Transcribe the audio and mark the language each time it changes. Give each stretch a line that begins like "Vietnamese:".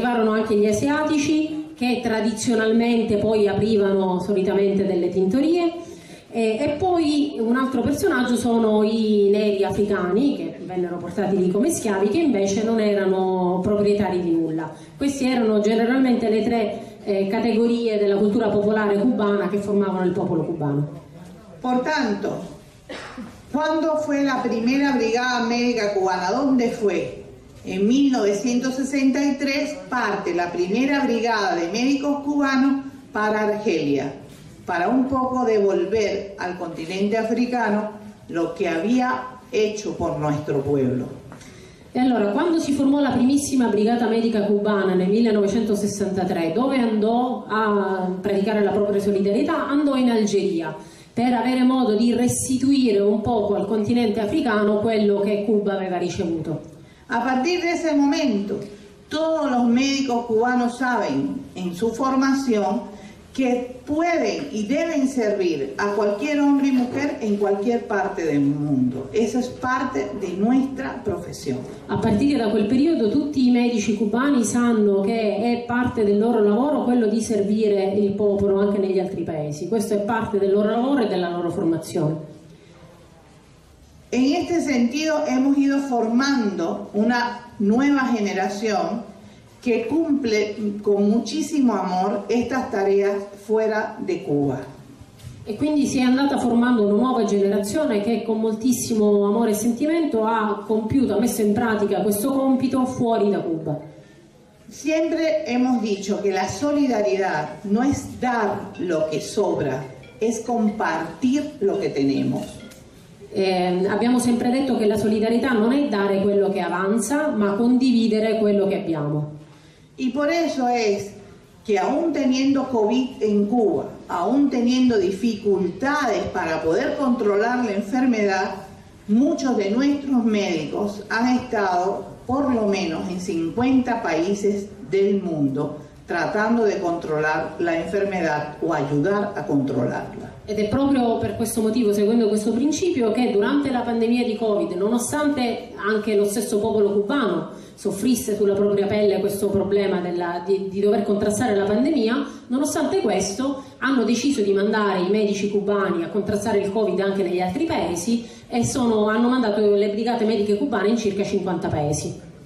Italian: anche gli asiatici, che tradizionalmente poi aprivano solitamente delle tintorie, e poi un altro personaggio sono i neri africani, che vennero portati lì come schiavi, che invece non erano proprietari di nulla. Questi erano generalmente le tre categorie della cultura popolare cubana che formavano il popolo cubano.
Spanish: Por tanto, ¿cuándo fue la primera brigada médica cubana? ¿Dónde fue? En 1963 parte la primera brigada de médicos cubanos para Argelia, para un poco devolver al continente africano lo que había hecho por nuestro pueblo.
Italian: E allora, quando si formò la primissima brigata medica cubana nel 1963, dove andò a praticare la propria solidarietà? Andò in Algeria, per avere modo di restituire un poco al continente africano quello che Cuba aveva ricevuto.
Spanish: A partir de ese momento, todos los médicos cubanos saben en su formación que pueden y deben servir a cualquier hombre y mujer en cualquier parte del mundo. Esa es parte de nuestra profesión.
Italian: A partire da quel periodo tutti i medici cubani sanno che è parte del loro lavoro quello di servire il popolo anche negli altri paesi. Questo è parte del loro lavoro e della loro formazione.
Spanish: En este sentido hemos ido formando una nueva generación que cumple con muchísimo amor estas tareas fuera de Cuba.
Italian: E quindi si è andata formando una nuova generazione che con moltissimo amore e sentimento ha compiuto, ha messo in pratica questo compito fuori da Cuba.
Spanish: Siempre hemos dicho que la solidaridad no es dar lo que sobra, es compartir lo que tenemos.
Italian: Abbiamo sempre detto che la solidarietà non è dare quello che avanza, ma condividere quello che abbiamo.
Spanish: Y por eso es que aún teniendo COVID en Cuba, aún teniendo dificultades para poder controlar la enfermedad, muchos de nuestros médicos han estado por lo menos en 50 países del mundo tratando de controlar la enfermedad o ayudar a controlarla.
Italian: Ed è proprio per questo motivo, seguendo questo principio, che durante la pandemia di COVID, nonostante anche lo stesso popolo cubano soffrisse sulla propria pelle questo problema di dover contrastare la pandemia, nonostante questo hanno deciso di mandare i medici cubani a contrastare il COVID anche negli altri paesi e hanno mandato le brigate mediche cubane in circa 50 paesi.